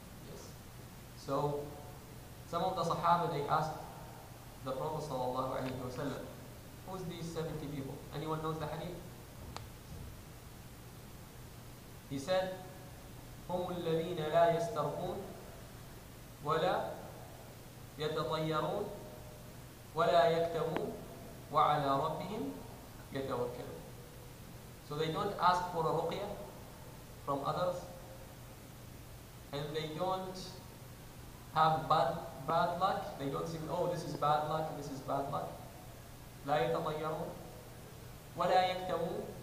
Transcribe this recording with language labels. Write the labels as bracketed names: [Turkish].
[English] Yes. So, some of the Sahaba, they asked the Prophet sallallahu alaihi wasallam, who's these 70 people? Anyone knows the hadith? [Arabic] He said, هم الذين لا يسترقون ولا يتطيرون ولا يكتمون وعلى ربهم يتوكلون. [English] So they don't ask for a ruqya from others, and they don't have bad luck. They don't think, oh, this is bad luck, this is bad luck. [Arabic] لا يتطيرون ولا يكتمون.